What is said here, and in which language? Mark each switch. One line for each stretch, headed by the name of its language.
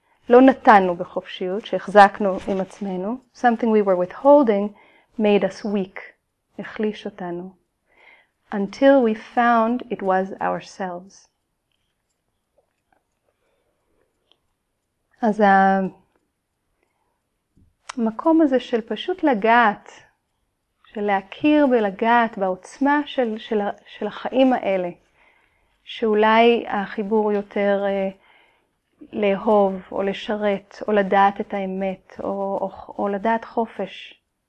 Hebrew: לא נתנו בחופשיות, שהחזקנו עם עצמנו.
English: Something we were withholding made us weak,
Hebrew: החליש אותנו.
English: Until we found it was ourselves.
Hebrew: אז המקום הזה של פשוט לגעת, של להכיר ולגעת בעוצמה של, של, של החיים האלה, שאולי החיבור יותר לאהוב או לשרת או לדעת את האמת או לדעת חופש.